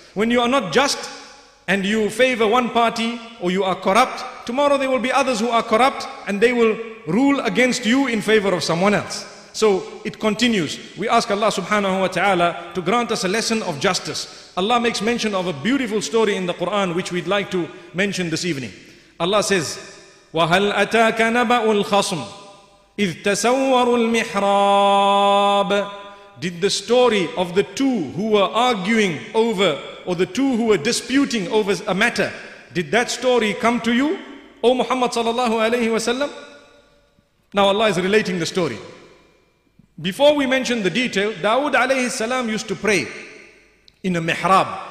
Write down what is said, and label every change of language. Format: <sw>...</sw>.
<en>When you are not just and you favor one party or you are corrupt, tomorrow there will be others who are corrupt and they will rule against you in favor of someone else. So it continues. We ask Allah subhanahu wa ta'ala to grant us a lesson of justice. Allah makes mention of a beautiful story in the Quran which we'd like to mention this evening. Allah says,</en> <ar>وَهَلْ أَتَاكَ نَبَأُ الْخَصْمِ إِذْ تَسَوَّرُ الْمِحْرَابِ.</ar> <en>Did the story of the two who were arguing over, or the two who were disputing over a matter, did that story come to you, O Muhammad sallallahu alayhi wa sallam? Now Allah is relating the story. Before we mention the detail, Dawood alayhi salam used to pray in a mihrab.</en>